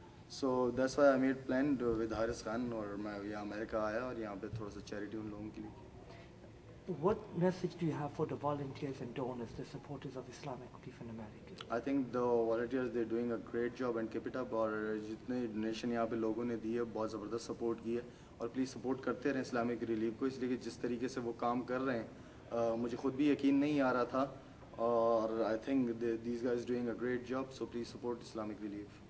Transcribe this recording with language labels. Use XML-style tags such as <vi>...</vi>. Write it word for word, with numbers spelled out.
<en>so that's why I made plan with</en> <ur>Haris Khan, اور میں یہاں امریکہ آیا اور یہاں پہ تھوڑا سا چیریٹی ان لوگوں کے لیے.</ur> <en>What message do you have for the volunteers and donors, the supporters of Islamic Relief in America? I think the volunteers, they're doing a great job and keep it up.</en> <ur>اور جتنے donation یہاں پہ لوگوں نے دی ہے بہت زبردست support کی ہے, اور پلیز سپورٹ کرتے رہیں اسلامک ریلیف کو, اس لیے کہ جس طریقے سے وہ کام کر رہے ہیں مجھے خود بھی یقین نہیں آ رہا تھا, اور</ur> <en>I think these guys doing a great job, so please support Islamic Relief.</en>